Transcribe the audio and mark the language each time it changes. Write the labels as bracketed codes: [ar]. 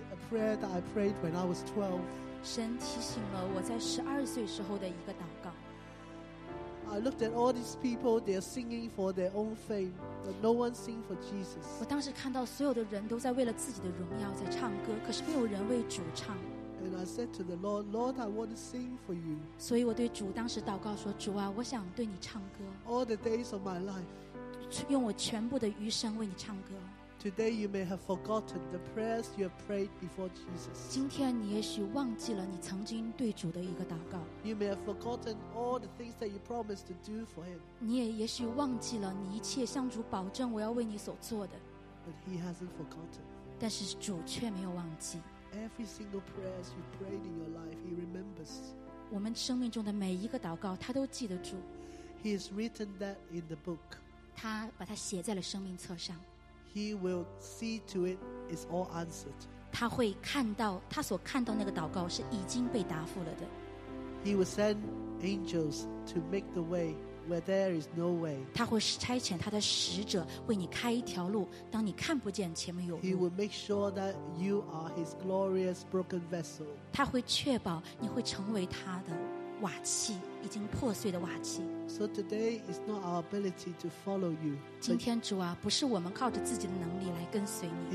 [en] Prayer that I prayed when I was 12. [zh] 神提醒了我在十二岁时候的一个祷告。 [en] I looked at all these people; they are singing for their own fame, but no one sing for Jesus. [zh] 我当时看到所有的人都在为了自己的荣耀在唱歌，可是没有人为主唱。 [en] And I said to the Lord, Lord, I want to sing for you. [zh] 所以我对主当时祷告说，主啊，我想对你唱歌。 [en] All the days of my life. [zh] 用我全部的余生为你唱歌。 [en] Today you may have forgotten the prayers you have prayed before Jesus. [zh] 今天你也许忘记了你曾经对主的一个祷告。 [en] You may have forgotten all the things that you promised to do for him. [zh] 你也也许忘记了你一切向主保证我要为你所做的。 [en] But he hasn't forgotten. [zh] 但是主却没有忘记。 [en] Every single prayer you prayed in your life, he remembers. [zh] 我们生命中的每一个祷告，他都记得住。 [en] He has written that in the book. [zh] 他把它写在了生命册上。 [en] He will see to it is all answered. [zh] 他会看到他所看到那个祷告是已经被答复了的。 [en] He will send angels to make the way where there is no way. [zh] 他会差遣他的使者为你开一条路，当你看不见前面有路。 [en] He will make sure that you are his glorious broken vessel. [zh] 他会确保你会成为他的瓦器，已经破碎的瓦器。 [en] So today is not our ability to follow you. [zh] 今天主啊，不是我们靠着自己的能力来跟随你。